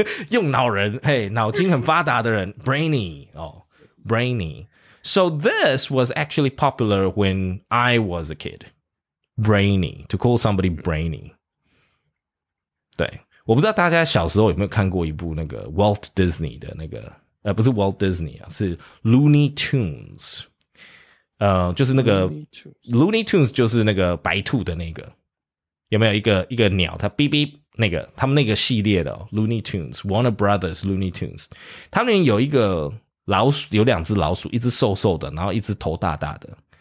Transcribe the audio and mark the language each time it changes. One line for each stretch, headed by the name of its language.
Chinese: 用脑人，嘿，脑筋很发达的人 ，brainy 哦 ，brainy.
English: So this was actually popular when I was a kid. Brainy to call somebody brainy.
Chinese: 对。我不知道大家小时候有没有看过一部那个 Walt Disney 的那个不是 Walt Disney 啊，是 Looney Tunes， 就是那个 Looney Tunes 就是那个白兔的那个，有没有一个鸟，它哔哔那个，他们那个系列的、哦、Looney Tunes Warner Brothers Looney Tunes， 他们有一个老鼠，有两只老鼠，一只瘦瘦的，然后一只头大大的，